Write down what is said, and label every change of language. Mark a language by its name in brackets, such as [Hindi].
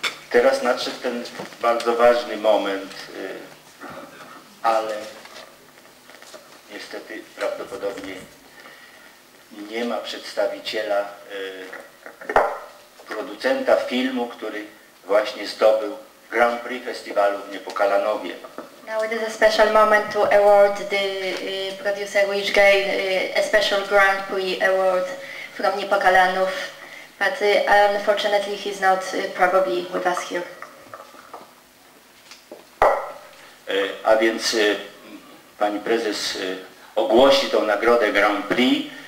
[Polish] teraz nadszedł ten bardzo ważny moment, ale niestety prawdopodobnie nie ma przedstawiciela producenta filmu, który właśnie zdobył Grand Prix Festiwalu w Niepokalanowie. [English] Now it is a special moment to award the producer which gained a special Grand Prix award from Niepokalanów, but unfortunately he's not probably with us here. [Polish] A więc pani prezes ogłosi tą nagrodę Grand Prix.